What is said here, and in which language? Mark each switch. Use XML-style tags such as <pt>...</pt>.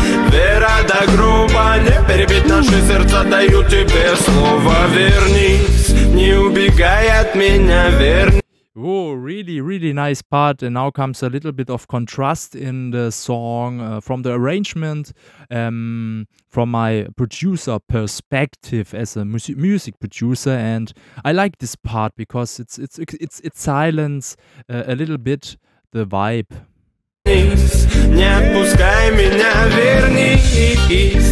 <ru>Вера до гроба, не перебить наши сердца. Даю тебе слово, вернись. Не убегай от меня, вернись.</ru> <en>Oh, really, really nice part. And now comes a little bit of contrast in the song from the arrangement, from my producer perspective as a music producer. And I like this part because it silences a little bit the vibe.</en> <ru>Не отпускай меня, вернись.</ru>